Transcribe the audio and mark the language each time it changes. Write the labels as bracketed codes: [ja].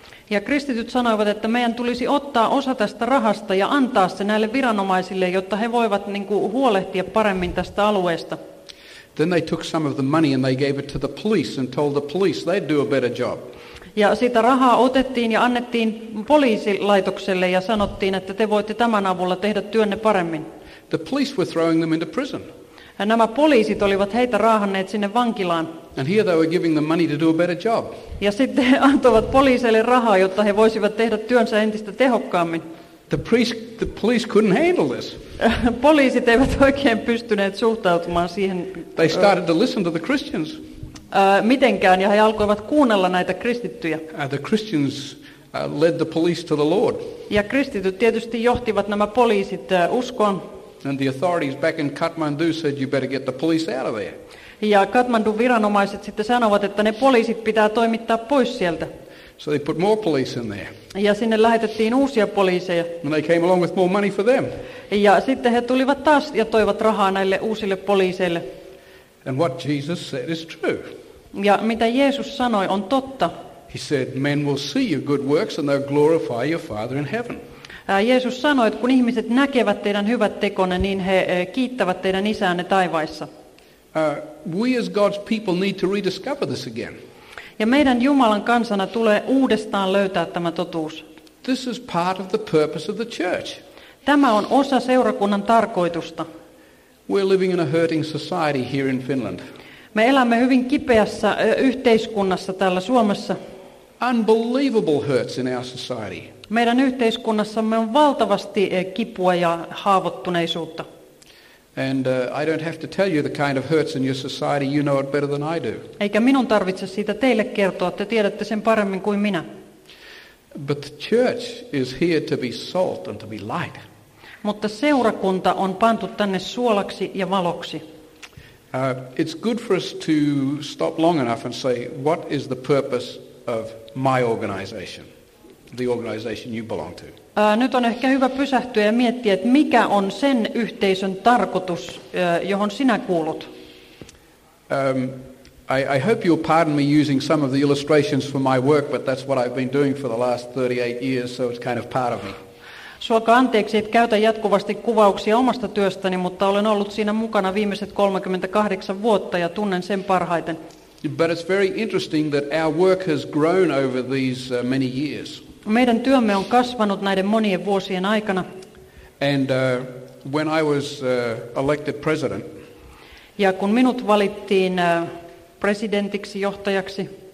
[fi] Ja kristityt sanoivat, että meidän tulisi ottaa osa tästä rahasta ja antaa se näille viranomaisille, jotta he voivat niin kuin huolehtia paremmin tästä alueesta. [en] Then they took some of the money and they gave it to the police and told the police they'd do a better job. [fi] Ja sitä rahaa otettiin ja annettiin poliisilaitokselle ja sanottiin, että te voitte tämän avulla tehdä työnne paremmin. [en] The police were throwing them into prison. [fi] Ja nämä poliisit olivat heitä raahanneet sinne vankilaan. [en] And here they were giving them money to do a better job. [fi] Ja sitten he antoivat poliiseille rahaa, jotta he voisivat tehdä työnsä entistä tehokkaammin. [en] The police couldn't handle this. [fi] Poliisit eivät oikein pystyneet suhtautumaan siihen. [en] They started to listen to the Christians. [fi] Mitenkään, ja he alkoivat kuunnella näitä kristittyjä. [en] The Christians led the police to the Lord. [fi] Ja kristityt tietysti johtivat nämä poliisit uskoon. [en] And the authorities back in Kathmandu said, "You better get the police out of there." [fi] Ja Kathmandun viranomaiset sitten sanovat, että ne poliisit pitää toimittaa pois sieltä. [en] So they put more police in there. [fi] Ja sinne lähetettiin uusia poliiseja. [en] And they came along with more money for them. [fi] Ja sitten he tulivat taas ja toivat rahaa näille uusille poliiseille. [en] And what Jesus said is true. [fi] Ja mitä Jeesus sanoi on totta. [en] He said, "Men will see your good works and they'll glorify your Father in heaven." [fi] Jeesus sanoi, että kun ihmiset näkevät teidän hyvät tekonne, niin he kiittävät teidän isäänne taivaissa. [en] We as God's people need to rediscover this again. [fi] Ja meidän Jumalan kansana tulee uudestaan löytää tämä totuus. [en] This is part of the purpose of the church. [fi] Tämä on osa seurakunnan tarkoitusta. [en] We're living in a hurting society here in Finland. [fi] Me elämme hyvin kipeässä yhteiskunnassa täällä Suomessa. [en] Unbelievable hurts in our society. [fi] Meidän yhteiskunnassamme on valtavasti kipua ja haavoittuneisuutta. [en] And I don't have to tell you the kind of hurts in your society, you know it better than I do. [fi] Eikä minun tarvitse siitä teille kertoa, te tiedätte sen paremmin kuin minä. [en] But the church is here to be salt and to be light. [fi] Mutta seurakunta on pantu tänne suolaksi ja valoksi. [en] It's good for us to stop long enough and say, what is the purpose of my organization? The organization you belong to. [fi] Nyt on ehkä hyvä pysähtyä ja miettiä, että mikä on sen yhteisön tarkoitus, johon sinä kuulut. [en] I hope you'll pardon me using some of the illustrations for my work, but that's what I've been doing for the last 38 years, so it's kind of part of me. [fi] Suokaa anteeksi, että käytän jatkuvasti kuvauksia omasta työstäni, mutta olen ollut siinä mukana viimeiset 38 vuotta ja tunnen sen parhaiten. [en] But it's very interesting that our work has grown over these many years. [fi] Meidän työmme on kasvanut näiden monien vuosien aikana. [en] And when I was elected president. [fi] Ja kun minut valittiin presidentiksi johtajaksi.